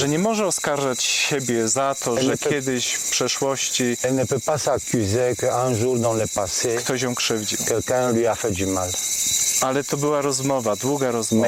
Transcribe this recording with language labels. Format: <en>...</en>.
<pl>Że nie może oskarżać siebie za to,</pl> <fr>elle</fr> <pl>że kiedyś w przeszłości.</pl> <fr>Elle ne peut pas s'accuser qu'un jour dans le passé.</fr> <pl>Ktoś ją krzywdził.</pl> <fr>Quelqu'un lui a fait du mal.</fr> <pl>Ale to była rozmowa, długa rozmowa.</pl>